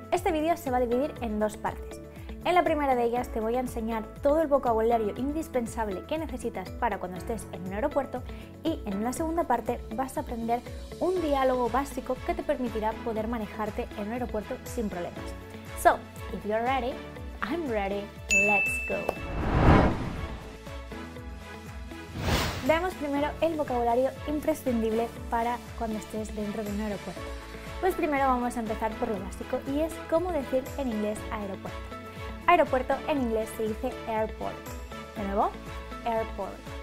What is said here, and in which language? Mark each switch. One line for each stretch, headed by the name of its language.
Spanish: Este vídeo se va a dividir en dos partes. En la primera de ellas te voy a enseñar todo el vocabulario indispensable que necesitas para cuando estés en un aeropuerto y en la segunda parte vas a aprender un diálogo básico que te permitirá poder manejarte en un aeropuerto sin problemas.
English: So, if you're ready, I'm ready, let's go!
Spanish: Veamos primero el vocabulario imprescindible para cuando estés dentro de un aeropuerto. Pues primero vamos a empezar por lo básico y es cómo decir en inglés aeropuerto. Aeropuerto en inglés se dice airport. De nuevo, airport.